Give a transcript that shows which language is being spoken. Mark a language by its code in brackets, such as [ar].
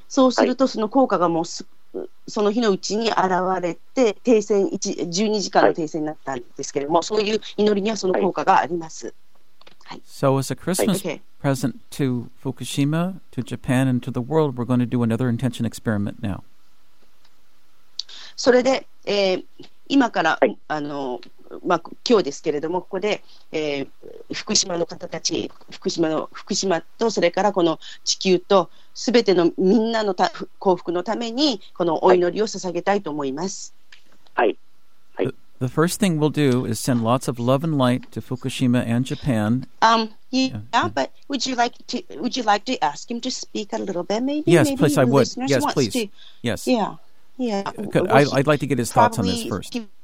[ja] そうするとその効果がもうその日のうちに現れて停戦12時間の停戦になったんですけれども、はい、そういう祈りにはその効果があります、 [en] はい、So as a Christmas、はい、present to Fukushima, to Japan and to the world, we're going to do another intention experiment now. [ja] それで、今から、はい、まあ、今日ですけれども、ここで、福島の方たち、福島とそれからこの地球と全てのみんなの幸福のためにこのお祈りを捧げたいと思います。はい。はい。 [en] The first thing we'll do is send lots of love and light to Fukushima and Japan. But would you like to ask him to speak a little bit, maybe? Yes, maybe please, I would. Yes, please. Yes. Yeah. I'd like to get his thoughts on this first.